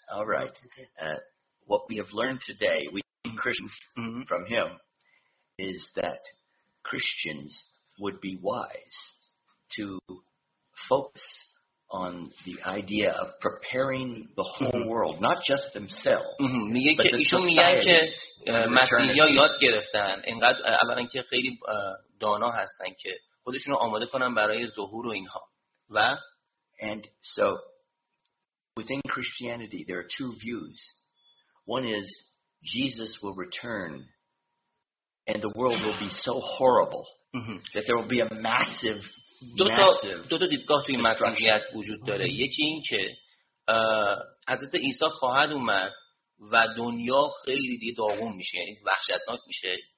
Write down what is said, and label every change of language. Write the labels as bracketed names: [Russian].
[English] all right what we have learned today we Christians from him is that Christians would be wise to focus on the idea of preparing the whole world, not just themselves. [Persian] میگه که ایشون میگن که مسیحی‌ها یاد گرفتن اینقدر اولا که خیلی دانا هستن که خودشون رو آماده کنن برای ظهور و اینها و [English] and so within Christianity there are two views. One is Jesus will return and the world will be so horrible that there will be a massive [Persian] دو تا دیدگاه توی مسیحیت وجود داره. یکی این که حضرت عیسی خواهد اومد و دنیا خیلی دیگه داغون میشه، یعنی وحشتناک میشه.